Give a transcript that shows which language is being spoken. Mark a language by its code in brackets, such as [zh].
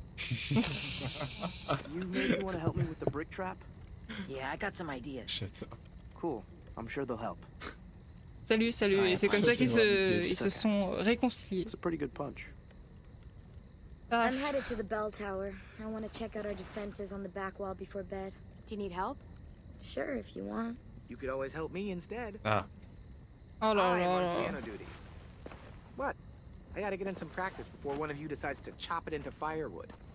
[en] You maybe want to help me with the brick trap? Yeah, I got some ideas. Shut up. Cool. I'm sure they'll help. [fr] Salut. Et c'est comme ça qu'ils se sont réconciliés. [en] It's a pretty good punch. I'm headed to the bell tower. I want to check out our defenses on the back wall before bed. Do you need help? Sure, if you want. You could always help me instead. Ah. Oh, no, I'm on piano duty. But I gotta get in some practice before one of you decides to chop it into firewood.